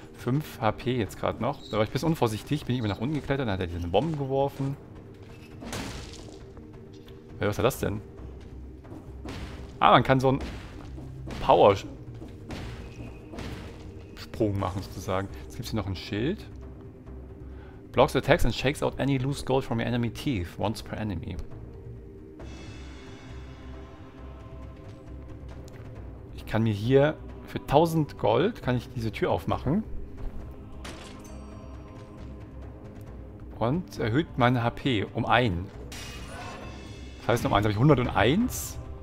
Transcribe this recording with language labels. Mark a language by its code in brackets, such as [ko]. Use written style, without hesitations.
[de] 5 HP jetzt gerade noch. Da war ich ein bisschen unvorsichtig, bin ich immer nach unten geklettert, dann hat er diese Bombe geworfen. Hey, was war das denn? Ah, man kann so einen Power-Sprung machen, sozusagen. Jetzt gibt es hier noch ein Schild. [en] Blocks attacks and shakes out any loose gold from your enemy teeth once per enemy. [de] Ich kann mir hier für 1000 Gold kann ich diese Tür aufmachen. Und erhöht meine HP um 1. Das heißt, um 1 habe ich 101.